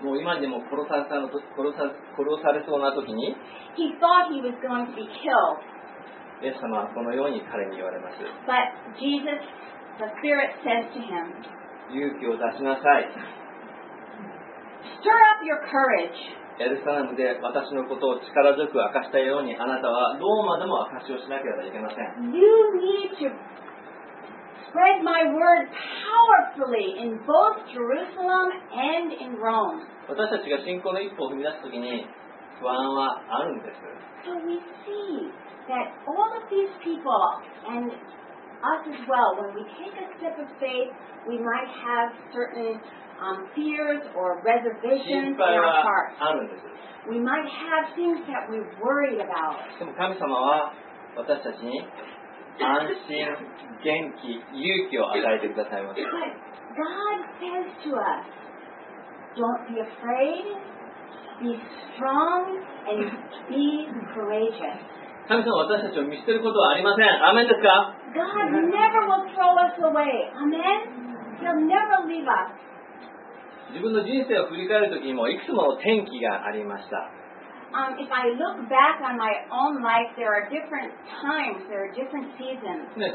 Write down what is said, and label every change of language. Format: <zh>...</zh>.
<ja>もう今でも殺されそうな時に</ja> <en>He thought he was going to be killed.</en> <ja>イエス様はこのように彼に言われます。</ja> <en>But Jesus, the Spirit says to him,</en> <ja>勇気を出しなさい。</ja> <en>Stir up your courage.</en> <ja>エルサレムで私のことを力強く明かしたようにあなたはローマでも明かしをしなければいけません。</ja> <en>You need to spread my word powerfully in both Jerusalem and in Rome.</en> <ja>私たちが信仰の一歩を踏み出すときに不安はあるんです。</ja> <en>So we see that all of these people and us as well, when we take a step of faith, we might have certain fears or reservations in our heart. We might have things that we worry about.</en> <ja>でも神様は私たちに安心、元気、勇気を与えてくださいます。</ja> <en>God says to us, don't be afraid, be strong, and be courageous.</en> <ja>神様は私たちを見捨てることはありません。アメンですか?</ja> <en>God never will throw us away. Amen? He'll never leave us.</en> <ja>自分の人生を振り返るときにもいくつもの転機がありました。</ja> <en>If I look back on my own life, there are different times, there are different seasons.</en>